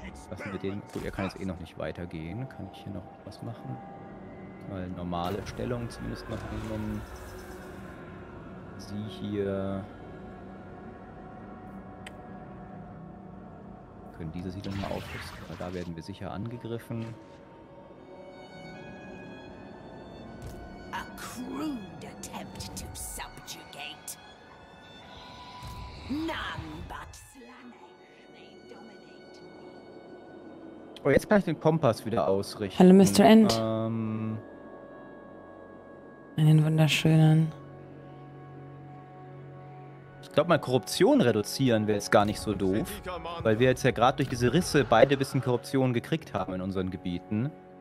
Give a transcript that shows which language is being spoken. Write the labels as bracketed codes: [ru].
[de] Lassen wir den. Gut, er kann jetzt eh noch nicht weitergehen. Kann ich hier noch was machen? Mal normale Stellung zumindest mal einnehmen. Sie hier. Können diese Siedlung mal aufrüsten, weil da werden wir sicher angegriffen. [en] A crude attempt to subjugate. None but Slaanesh may dominate me. [de] Oh, jetzt kann ich den Kompass wieder ausrichten. Hallo, Mr. End. Einen wunderschönen. Ich glaube, mal Korruption reduzieren wäre jetzt gar nicht so doof, weil wir jetzt ja gerade durch diese Risse beide ein bisschen Korruption gekriegt haben in unseren Gebieten.